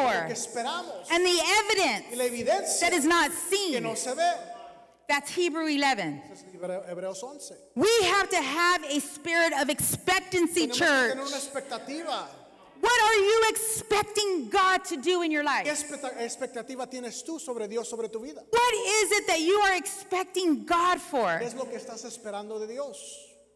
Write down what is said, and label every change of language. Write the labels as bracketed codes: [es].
[es] lo que esperamos, [en] and the evidence [es] y la evidencia [en] that is not seen. [es] Que no se ve. [en] That's Hebrew 11. [es] Hebreos 11. [en] We have to have a spirit of expectancy, [es] tenemos [en] church. [es] Que tener una expectativa. [en] What are you expecting God to do in your life? [es] ¿Qué expectativa tienes tú sobre Dios, sobre tu vida? [en] What is it that you are expecting God for? [es] ¿Qué es lo que estás esperando de Dios?